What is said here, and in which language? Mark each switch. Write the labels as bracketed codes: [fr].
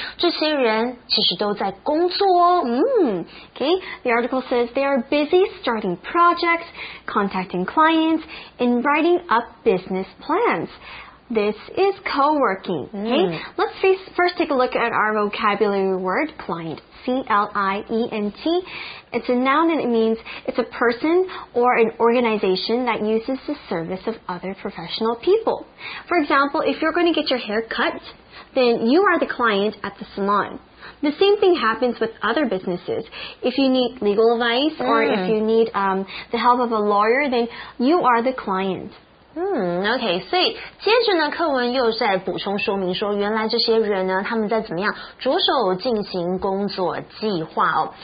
[zh] 这些人其实都在工作哦。 [en] Okay. The article says they are busy starting projects, contacting clients, and writing up business plans. This is co-working. Okay. Let's first take a look at our vocabulary word, client. C-L-I-E-N-T. It's a noun and it means it's a person or an organization that uses the service of other professional people. For example, if you're going to get your hair cut, then you are the client at the salon. The same thing happens with other businesses. If you need legal advice or if you need the help of a lawyer, then you are the client. [zh] OK， 所以接着呢，课文又在补充说明说，原来这些人呢，他们在怎么样着手进行工作计划哦。